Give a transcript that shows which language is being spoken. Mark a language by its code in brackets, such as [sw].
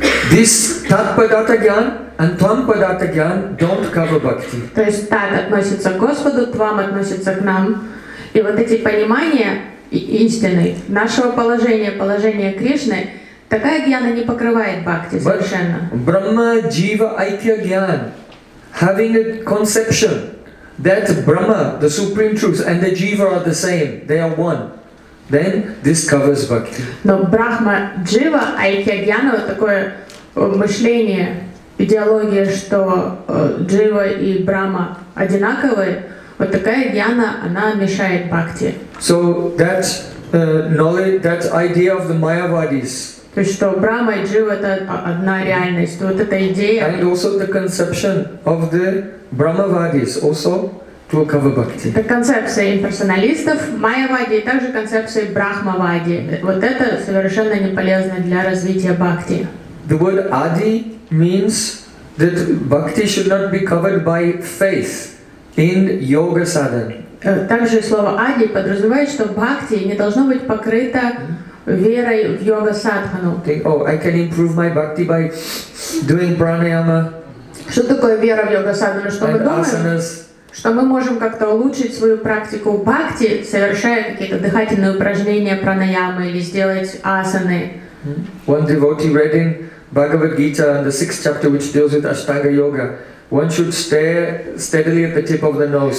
[en] This Tat Padata Gyan and Twam Padata Gyan don't cover bhakti. [ru] То есть Tat относится к Господу, Твам относится к нам. И вот эти понимания истины, нашего положения, положения Кришны, такая гьяна не покрывает бхакти совершенно. [en] Brahma Jiva Aitya Gyan, having a conception that Brahma, the Supreme Truth, and the Jiva are the same, they are one. Then this covers bhakti. [ru] Но Брахма Джива Айтья Гьяна вот такое мышление, идеология, что Джива и Брахма одинаковые, вот такая гьяна, она мешает бхакти. [en] So that knowledge, that idea of the Mayavadis. [ru] То есть что Брахма и Джива это одна реальность, вот эта идея. [en] And also the conception of the Brahmavadis also. [ru] Это концепция имперсоналистов майя-вади и также концепция брахма-вади. Вот это совершенно не полезно для развития бхакти. [en] The word adi means that bhakti should not be covered by faith in yoga sadhan. [ru] Также слово adi подразумевает, что бхакти не должно быть покрыто верой в йога садхану. [en] Think, oh, I can improve my bhakti by doing pranayama. [ru] Что такое вера в йога садхану? Что мы думаем? Что мы можем как-то улучшить свою практику бхакти, совершая какие-то дыхательные упражнения, пранаямы или сделать асаны. [en] One devotee read in Bhagavad Gita in the 6th chapter which deals with Ashtanga Yoga. One should stare steadily at the tip of the nose.